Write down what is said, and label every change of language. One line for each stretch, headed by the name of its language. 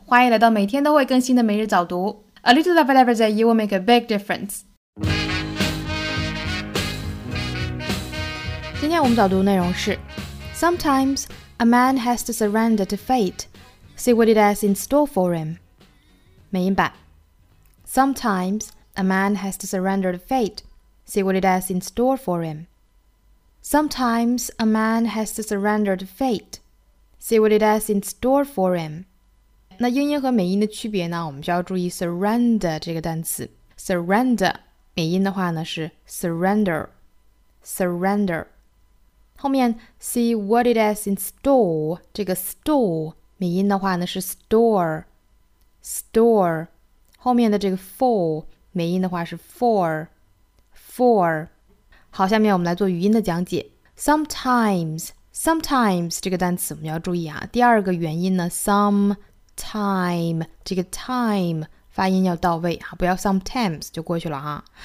Chinese: 欢迎来到每天都会更新的每日早读。
English: A little of every day will make a big difference.
Chinese: 今天我们早读的内容是
English: Sometimes a man has to surrender to fate. See what it has in store for him.
Chinese: 美音版
English: Sometimes a man has to surrender to fate. See what it has in store for him. Sometimes a man has to surrender to fate. See what it has in store for him.
Chinese: 那英音和美音的区别呢？我们就要注意 surrender 这个单词。 Surrender 美音的话呢是 surrender, surrender. 后面
English: see what it has in store
Chinese: 这个 store 美音的话呢是 store, store. 后面的这个 for 美音的话是 for, for. 好，下面我们来做语音的讲解。
English: Sometimes.
Chinese: Sometimes 这个单词我们要注意啊，第二个元音呢 ，sometime 这个 time 发音要到位啊，不要 sometimes 就过去了啊。